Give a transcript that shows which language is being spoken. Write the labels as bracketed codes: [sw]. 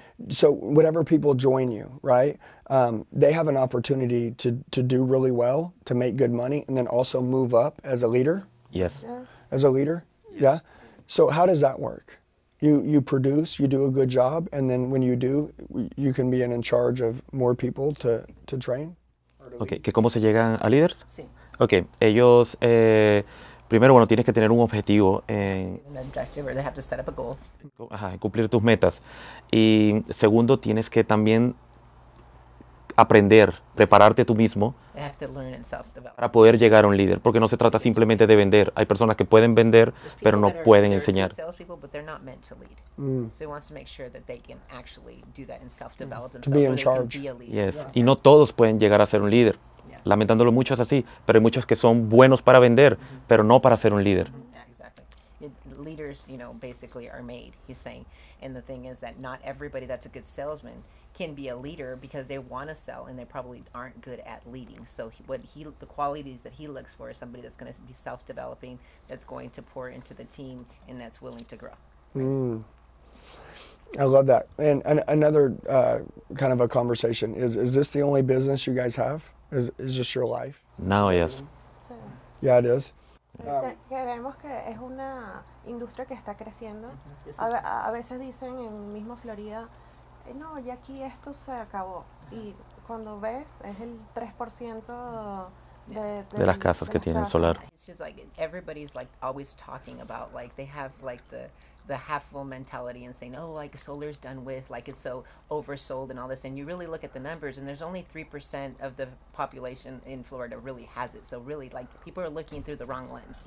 [en] So whenever people join you, right, they have an opportunity to do really well, to make good money, and then also move up as a leader? Yes. Yeah. As a leader? Yes. Yeah. So how does that work? You produce, you do a good job, and then when you do, you can be in charge of more people to train? [es] Okay, ¿que cómo se llegan a líderes? Sí. Okay, ellos, primero, bueno, tienes que tener un objetivo en... [en] An objective, or they have to set up a goal. [es] Ajá, cumplir tus metas. Y segundo, tienes que también aprender, prepararte tú mismo. [en] They have to learn and self-develop. [es] Para poder llegar a un líder, porque no se trata simplemente de vender. Hay personas que pueden vender, pero no pueden enseñar. [en] There's people that are salespeople, but they're not meant to lead. Mm. So he wants to make sure that they can actually do that and self-develop themselves. To be in charge. They can be a leader. Yes, yeah. [es] Y no todos pueden llegar a ser un líder. Yeah. Lamentándolo mucho es así, pero hay muchos que son buenos para vender, mm-hmm. pero no para ser un líder. [en] Yeah, exactly. Leaders, you know, basically are made, he's saying. And the thing is that not everybody that's a good salesman can be a leader, because they want to sell and they probably aren't good at leading. So the qualities that he looks for is somebody that's going to be self-developing, that's going to pour into the team, and that's willing to grow. Right? Mm. I love that. And another kind of a conversation is this the only business you guys have? Is this your life? No, yes. So, yeah, it is. [es] Creemos que es una industria que está creciendo. A veces dicen en mismo Florida, no, ya aquí esto se acabó. Y cuando ves, es el 3% de las casas que tienen solar. [en] It's just like everybody's like always talking about, like they have like the half full mentality and saying, oh, like solar's done with, like it's so oversold and all this. And you really look at the numbers and there's only 3% of the population in Florida really has it. So really, like, people are looking through the wrong lens.